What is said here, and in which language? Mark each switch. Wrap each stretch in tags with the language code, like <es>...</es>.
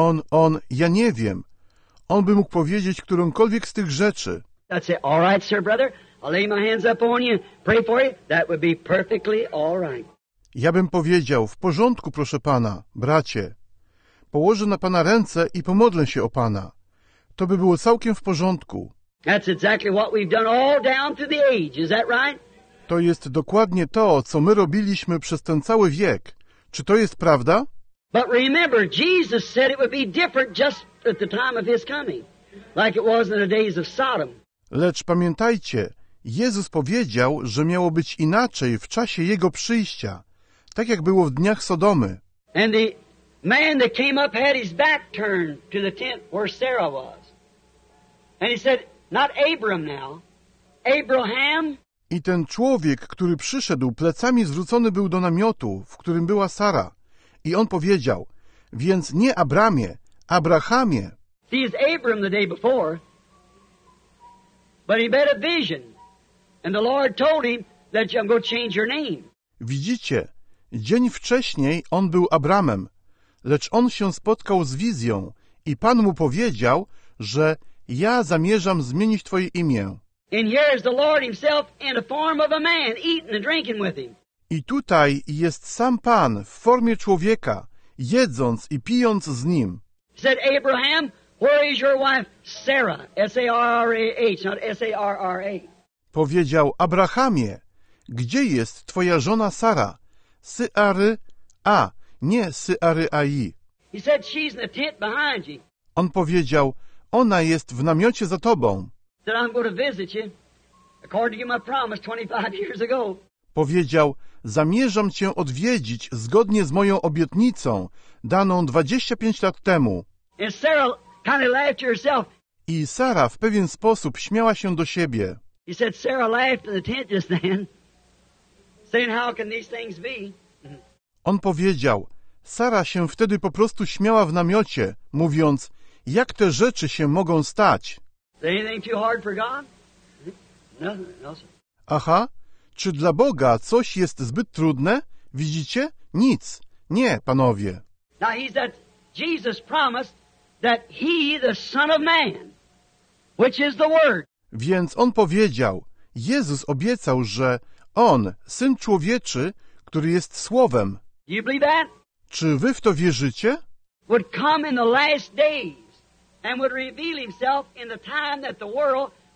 <pl>On, ja nie wiem. On by mógł powiedzieć którąkolwiek z tych rzeczy.</pl> <en>That's it. All right, sir, brother. I'll lay my hands up on you. Pray for you. That would be perfectly all right.</en> <pl>Ja bym powiedział, w porządku, proszę pana, bracie. Położę na pana ręce i pomodlę się o pana. To by było całkiem w porządku.</pl> <en>That's exactly what we've done all down through the age. Is that right?</en> <pl>To jest dokładnie to, co my robiliśmy przez ten cały wiek. Czy to jest prawda?</pl> <en>But remember, Jesus said it would be different just at the time of his coming, like it was in the days of Sodom.</en> <pl>Lecz pamiętajcie, Jezus powiedział, że miało być inaczej w czasie jego przyjścia, tak jak było w dniach Sodomy.</pl> <en>And the man that came up had his back turned to the tent where Sarah was. And he said, not Abram now, Abraham.</en> <pl>I ten człowiek, który przyszedł, plecami zwrócony był do namiotu, w którym była Sara. I on powiedział, więc nie Abramie, Abrahamie.</pl> <en>He is Abram the day before, but he had a vision, and the Lord told him that I'm going to change your name.</en> <pl>Widzicie, dzień wcześniej on był Abramem, lecz on się spotkał z wizją i Pan mu powiedział, że ja zamierzam zmienić twoje imię.</pl> <en>And here is the Lord himself in the form of a man, eating and drinking with him.</en> <pl>I tutaj jest sam Pan w formie człowieka, jedząc i pijąc z nim.</pl> <en>Said Abraham, where is your wife Sarah? S-A-R-A-H, not S-A-R-R-A.</en> <pl>Powiedział Abrahamie, gdzie jest twoja żona Sara? S-A-R-A, nie S-A-R-A-I.</pl> <en>He said she's in the tent behind you.</en> <pl>On powiedział, ona jest w namiocie za tobą.</pl> <en>Said I'm going to visit you, according to my promise 25 years ago.</en> <pl>Powiedział, zamierzam cię odwiedzić zgodnie z moją obietnicą, daną 25 lat temu.</pl> <en>And Sarah kind of laughed to herself.</en> <pl>I Sara w pewien sposób śmiała się do siebie.</pl> <en>He said Sarah laughed in the tent just then, saying how can these things be?</en> <pl>On powiedział, Sara się wtedy po prostu śmiała w namiocie, mówiąc, jak te rzeczy się mogą stać?</pl> <en>Is there anything too hard for God? Nothing else. Aha.</en> <pl>Czy dla Boga coś jest zbyt trudne? Widzicie? Nic. Nie, panowie.</pl> <en>Now he's that Jesus promised that he, the Son of Man, which is the Word.</en> <pl>Więc on powiedział, Jezus obiecał, że on, Syn Człowieczy, który jest Słowem.</pl> <en>You believe that?</en> <pl>Czy wy w to wierzycie?</pl> <en>Would come in the last days and would reveal himself in the time that the world</en>